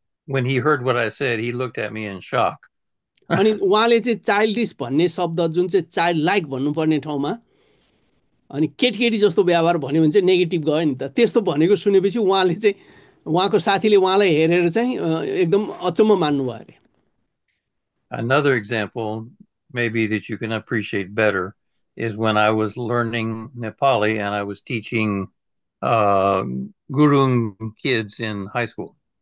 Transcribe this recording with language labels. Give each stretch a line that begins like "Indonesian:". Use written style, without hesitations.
English: when he heard what I said, he looked at me in shock.
Nepali: अनि उहाँले चाहिँ childish भन्ने शब्द जुन चाहिँ चाइल्ड लाइक भन्नुपर्ने ठाउँमा अनि केटकेटी जस्तो व्यवहार भन्यो भने चाहिँ नेगेटिभ गयो नि त त्यस्तो भनेको सुनेपछि उहाँले चाहिँ उहाँको साथीले उहाँलाई हेरेर चाहिँ एकदम अचम्म मान्नुभयो अरे
English: Another example, maybe that you can appreciate better, is when I was learning Nepali and I was teaching gurung kids in high school.